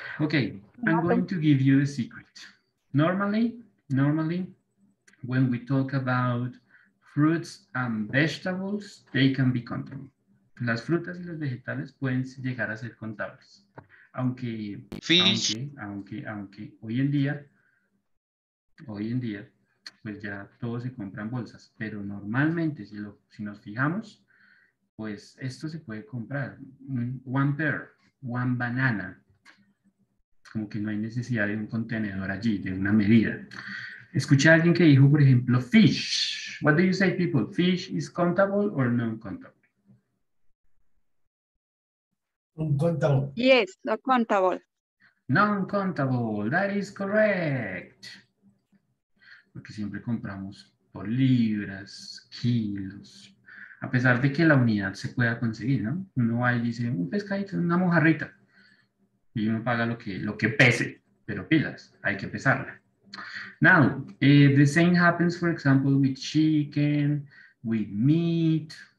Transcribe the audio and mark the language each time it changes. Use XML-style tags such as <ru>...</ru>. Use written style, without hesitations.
<en>Okay, I'm going to give you the secret. Normally, when we talk about fruits and vegetables, they can be contable.</en> <es>Las frutas y los vegetales pueden llegar a ser contables. Aunque,</es> <en>fish.</en> <es>Aunque hoy en día, pues ya todos se compran bolsas. Pero normalmente, si nos fijamos, pues esto se puede comprar.</es> <en>One pear, one banana.</en> <es>Como que no hay necesidad de un contenedor allí, de una medida. Escuché a alguien que dijo, por ejemplo, fish.</es> <en>What do you say, people? Fish is countable or non-countable? Non-countable. Yes, non-countable. Non-countable, that is correct.</en> <es>Porque siempre compramos por libras, kilos. A pesar de que la unidad se pueda conseguir, ¿no? Uno va y dice, un pescadito, una mojarrita. Y uno paga lo que pese, pero pilas, hay que pesarla.</es> <en>Now, the same happens, for example, with chicken, with meat.</en>